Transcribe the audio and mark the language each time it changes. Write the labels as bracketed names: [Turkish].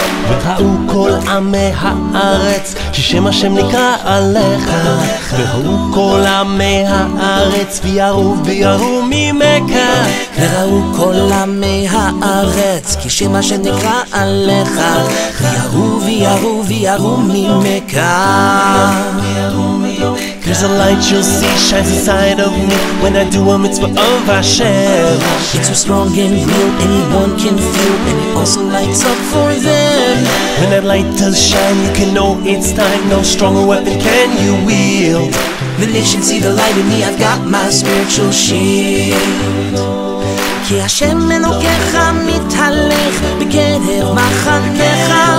[Hebrew] וראו כל עמי הארץ כי שם השם נקרא עליך וראו כל עמי הארץ וירו וירו ממכה וראו כל עמי הארץ כי שם השם נקרא עליך וירו וירו וירו ממכה [English] There's a light you'll see shines inside of me when I do a mitzvah of Hashem. It's so strong and real, anyone can feel, and it also lights up for them. When that light does shine, you can know it's time, no stronger weapon can you wield. The nation see the light in me, I've got my spiritual shield. [Hebrew] כי השם אלוקיך מתהלך בקרב מחניך